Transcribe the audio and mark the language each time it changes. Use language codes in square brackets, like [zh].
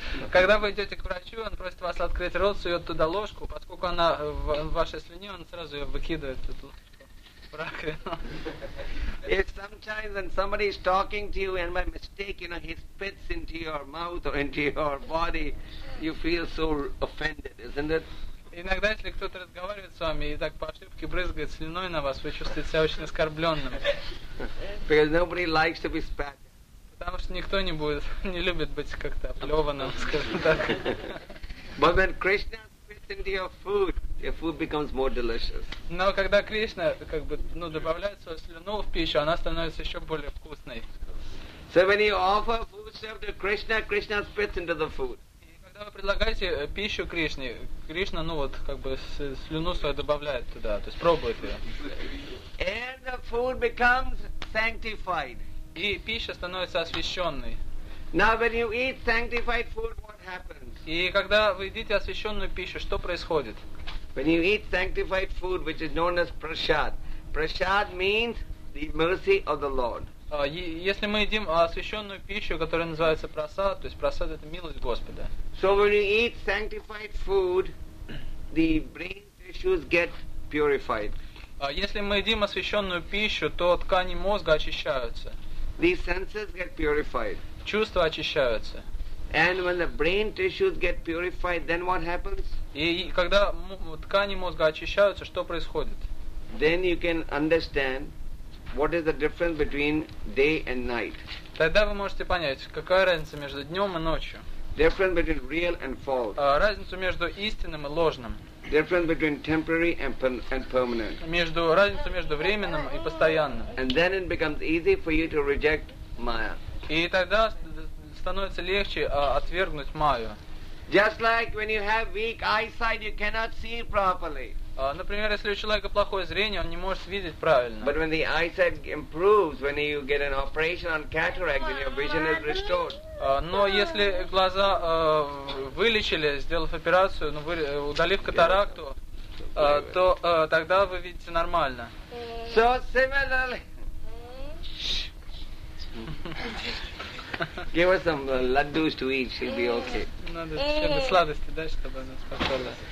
[ru] Когда вы идете к врачу, он просит вас открыть рот, сует туда ложку, поскольку она в вашей слюне, он сразу ее выкидывает эту ложку в раковину. [en] If sometimes when somebody is talking to you and by mistake, you know, he spits into your mouth or into your body, you feel so offended, isn't it? [ru] Иногда, если кто-то разговаривает с вами и так по ошибке брызгает слюной на вас, вы чувствуете себя очень оскорбленным. [en] Because nobody likes to be spat. [ru] Потому что никто не будет, не любит быть как-то оплеванным, скажем так. [en] But when Krishna spits into your food becomes more delicious. [ru] Но когда Кришна как бы добавляет свою слюну в пищу, она становится еще более вкусной. [en] So when you offer foodstuff to Krishna, Krishna spits into the food. [ru] И когда вы предлагаете пищу Кришне, Кришна слюну свою добавляет туда, то есть пробует ее. [en] And the food becomes sanctified. [ru] И пища становится освященной. [en] Now when you eat sanctified food, what happens? [ru] И когда вы едите освященную пищу, что происходит? [en] When you eat sanctified food, which is known as prasad, prasad means the mercy of the Lord. [ru] Если мы едим освященную пищу, которая называется прасад, то есть прасад это милость Господа. [en] So when you eat sanctified food, the brain tissues get purified. [ru] Если мы едим освященную пищу, то ткани мозга очищаются. [en] These senses get purified. [ru] Чувства очищаются. [en] And when the brain tissues get purified, then what happens? [ru] И когда ткани мозга очищаются, что происходит? [en] Then you can understand what is the difference between day and night. [ru] Тогда вы можете понять, какая разница между днем и ночью. [en] Difference between real and false. [ru] Разницу между истинным и ложным. [en] Difference between temporary and permanent. [ru] Между разницу между временным и постоянным. [en] And then it becomes easy for you to reject Maya. [ru] И тогда становится легче отвергнуть Майю. [en] Just like when you have weak eyesight, you cannot see properly. [ru] Например, если у человека плохое зрение, он не может видеть правильно. [en] But when the eyesight improves, when you get an operation on cataract, then your vision is restored. [ru] Но если глаза вылечили, сделав операцию, удалив катаракту, то тогда вы видите нормально. [en] So similarly. Give us some laddus to eat, she'll be okay. [ru] Надо сладости дать, чтобы она спокойно.